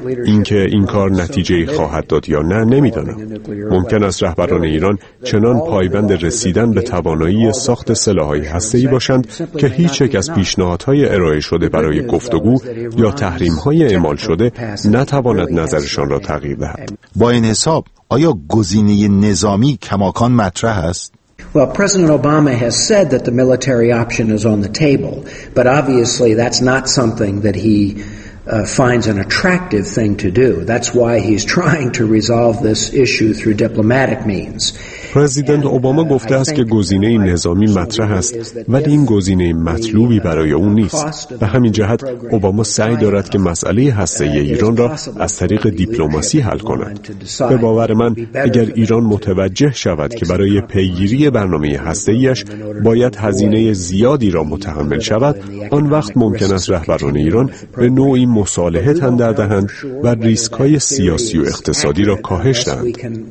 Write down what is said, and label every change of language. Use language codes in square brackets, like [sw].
[fa] اینکه این کار نتیجه‌ای خواهد داد یا نه نمی‌دانم. ممکن است رهبران ایران چنان پایبند رسیدن به توانایی ساخت سلاح‌های هسته‌ای باشند که هیچ یک از پیشنهادهای ارائه شده برای گفتگو یا تحریم‌های اعمال شده نتواند نظرشان را تغییر دهد. با این حساب آیا گزینه نظامی کماکان مطرح است؟ [en] Well, President Obama has said that the military option is on the table, but obviously that's not something that he finds an attractive thing to do. That's why he's trying to resolve this issue through diplomatic means. [fa] پرزیدنت اوباما گفته است که گزینه نظامی مطرح است، ولی این گزینه مطلوبی برای او نیست. به همین جهت اوباما سعی دارد که مسئله هسته‌ای ایران را از طریق دیپلماسی حل کند. به باور من اگر ایران متوجه شود که برای پیگیری برنامه هسته‌ایش باید هزینه زیادی را متحمل شود، آن وقت ممکن است رهبران ایران به نوعی مصالحه تن در دهند و ریسک‌های سیاسی و اقتصادی را کاهش دهند.